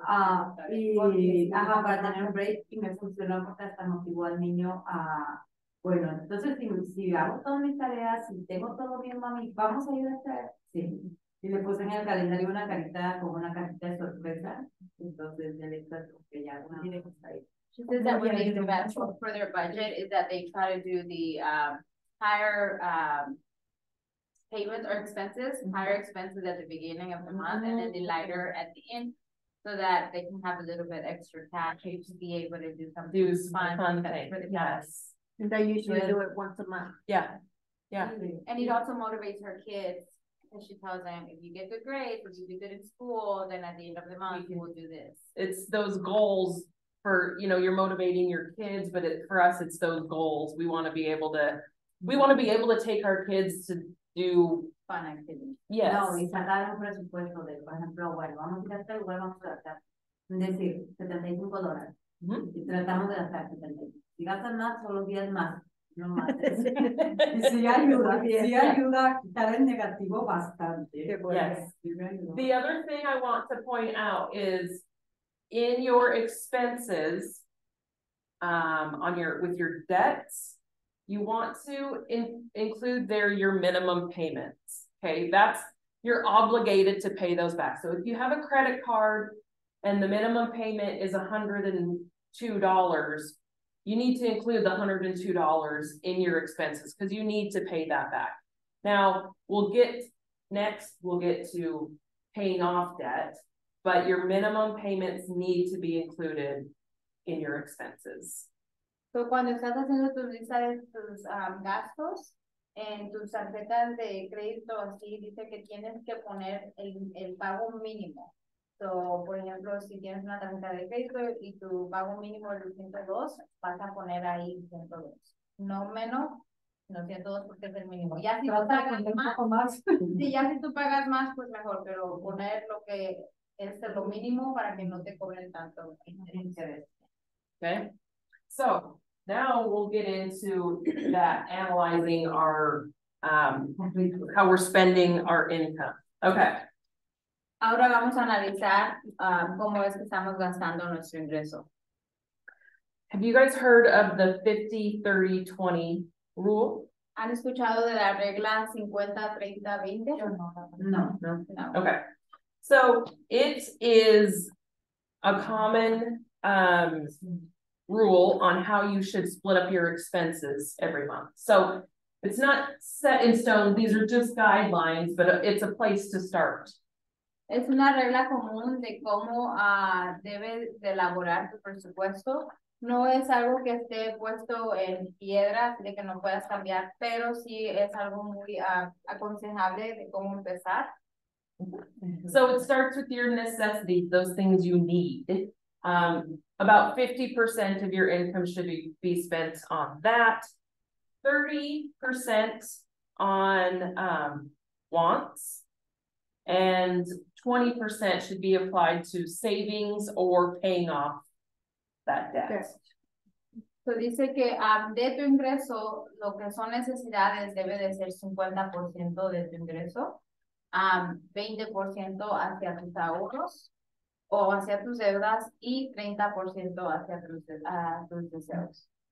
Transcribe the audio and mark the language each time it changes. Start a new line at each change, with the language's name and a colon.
Spanish: para tener un break, y me funcionó porque hasta motivó al niño a, bueno, entonces si hago todas mis tareas, si tengo todo bien, mami, ¿vamos a ir a hacer? Sí. Y le puse en el calendario una carita, como una carita de sorpresa, entonces ya le estás, porque ya no tiene que estar ahí.
English: She says that when they invest for their budget is that they try to do the higher payments or expenses, higher expenses at the beginning of the month and then the lighter at the end so that they can have a little bit extra cash to be able to do something fun. Fun thing. Yes. And they usually do it once a month. Yeah. And it also motivates her kids because she tells them, if you get good grades, if you do good in school, then at the end of the month, you will do this. It's those goals. For, you know, you're motivating your kids, but for us, it's those goals. We want to be able to take our kids to do fun activities. Yes.
Spanish: No, y sacar un presupuesto de, por ejemplo, bueno, vamos a ir a este lugar, vamos a gastar, es decir, $75. Mm-hmm. Y tratamos de gastar 75. Si gastan más, solo 10 más. No más. Y si ayuda a quitar el negativo bastante.
English: Yes. The other thing I want to point out is, in your expenses, with your debts, you want to include there your minimum payments. Okay, that's you're obligated to pay those back. So if you have a credit card and the minimum payment is $102, you need to include the $102 in your expenses because you need to pay that back. Now we'll get to paying off debt. But your minimum payments need to be included in your expenses.
Spanish: So cuando estás haciendo tu lista de tus gastos en tus tarjetas de crédito, así dice que tienes que poner el pago mínimo. So, por ejemplo, si tienes una tarjeta de crédito y tu pago mínimo es 102, vas a poner ahí 102. No menos, no 102 porque es el mínimo. Ya si tú pagas más, poco más. Sí, ya si tú pagas más, pues mejor, pero poner lo que es lo mínimo para que no te cobren tanto interés.
English: Okay. So now we'll get into that analyzing our how we're spending our income. Okay.
Spanish: Ahora vamos a analizar cómo es que estamos gastando nuestro ingreso.
English: Have you guys heard of the 50-30-20 rule?
Spanish: ¿Han escuchado de la regla 50-30-20? No.
English: Okay. So it is a common rule on how you should split up your expenses every month. So it's not set in stone. These are just guidelines, but it's a place to start.
Spanish: Es una regla común de cómo debe de elaborar tu presupuesto. No es algo que esté puesto en piedra de que no puedas cambiar, pero sí es algo muy aconsejable de cómo empezar.
English: So it starts with your necessities, those things you need. About 50% of your income should be spent on that. 30% on wants. And 20% should be applied to savings or paying off that debt. Yes.
Spanish: So dice que de tu ingreso, lo que son necesidades debe de ser 50% de tu ingreso. 20% hacia tus ahorros o hacia tus deudas y 30% hacia tus deseos.